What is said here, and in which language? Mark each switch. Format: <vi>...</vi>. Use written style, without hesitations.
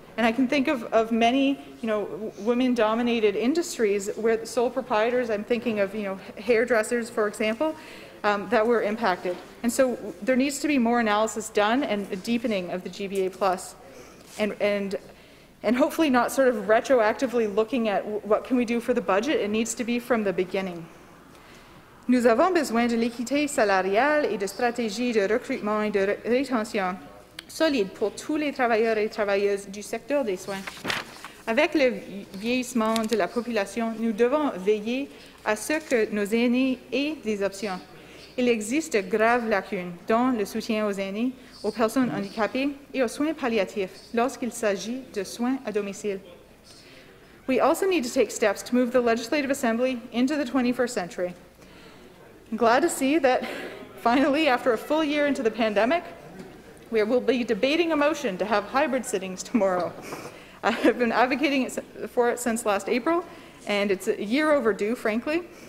<en>And I can think of many, you know, women-dominated industries where the sole proprietors, I'm thinking of, you know, hairdressers, for example, that were impacted. And so there needs to be more analysis done and a deepening of the GBA Plus, and hopefully not sort of retroactively looking at what can we do for the budget. It needs to be from the beginning.</en> <fr>Nous avons besoin de l'équité salariale et de stratégies de recrutement et de rétention solide pour tous les travailleurs et travailleuses du secteur des soins. Avec le vieillissement de la population, nous devons veiller à ce que nos aînés aient des options. Il existe de graves lacunes dans le soutien aux aînés, aux personnes handicapées et aux soins palliatifs lorsqu'il s'agit de soins à domicile.</fr> <en>We also need to take steps to move the Legislative Assembly into the 21st century. I'm glad to see that finally, after a full year into the pandemic, we will be debating a motion to have hybrid sittings tomorrow. I have been advocating for it since last April, and it's a year overdue, frankly.</en>